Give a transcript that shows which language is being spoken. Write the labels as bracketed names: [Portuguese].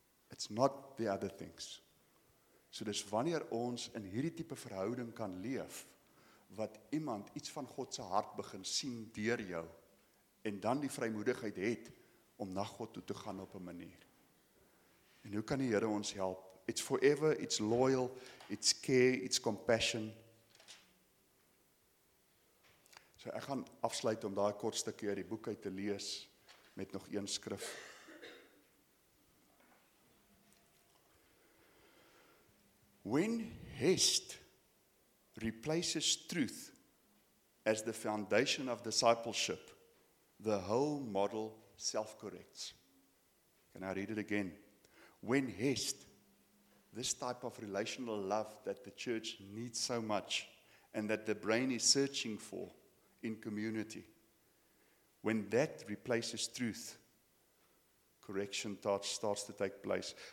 [English] It's not the other things. [Afrikaans] So dis wanneer ons in hierdie tipe verhouding kan leef, wat iemand iets van God se hart begin sien deur jou, en dan die vrymoedigheid het om na God toe te gaan op 'n manier. En hoe kan die Here ons help? [English] It's forever, it's loyal, it's care, it's compassion. [Afrikaans] So ek gaan afsluit om daai kort stukkie uit die boek uit te lees, met nog een skrif. [English] When hest replaces truth as the foundation of discipleship, the whole model self-corrects. Can I read it again? When hest, this type of relational love that the church needs so much and that the brain is searching for in community, when that replaces truth, correction starts to take place.